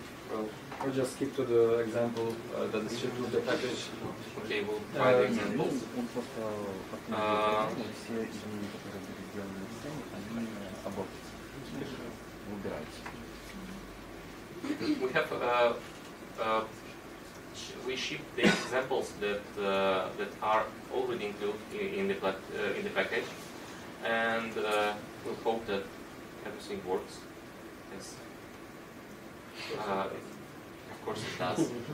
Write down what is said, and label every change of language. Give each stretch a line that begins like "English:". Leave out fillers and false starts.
English: Well, just skip to the example that is shipped with the package. Okay, we'll try the examples.
Russian: Он просто подтвердил все изменения, которые были сделаны в системе, они обработаются. Убираются.
English: We have we ship the examples that that are already included in the package, and we hope that everything works. Yes, of course it does.